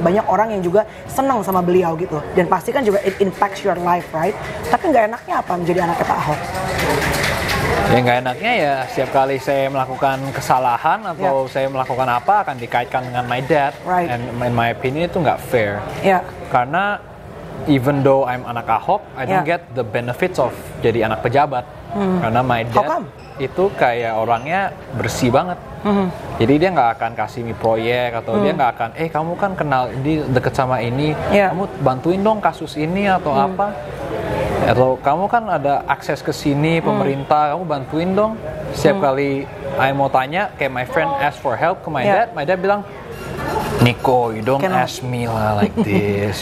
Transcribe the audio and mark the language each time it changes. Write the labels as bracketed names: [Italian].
[Indonesian] Banyak orang yang juga senang sama beliau gitu. Dan pasti kan juga [English] it impacts your life, right? [Indonesian] Tapi enggak enaknya apa menjadi anaknya Pak Ahok? Yang gak enaknya ya setiap kali saya melakukan kesalahan atau saya melakukan apa akan dikaitkan dengan [English] my dad. Right. And in my opinion [Indonesian] itu gak fair. [English] Yeah. [Indonesian] Karena [English] even though I'm [Indonesian] anak Ahok, [English] I don't get the benefits of [Indonesian] jadi anak pejabat. Karena [English] my dad [Indonesian] itu kayak orangnya bersih banget. Jadi dia gak akan kasih me proyek atau dia gak akan, kamu kan kenal ini deket sama ini, kamu bantuin dong kasus ini atau apa. Atau kamu kan ada akses ke sini, pemerintah, kamu bantuin dong. Setiap kali [English] I [Indonesian] mau tanya, kayak [English] my friend ask for help [Indonesian] ke [English] my dad, my dad [Indonesian] bilang, [English] Nico, you don't ask me lah like this.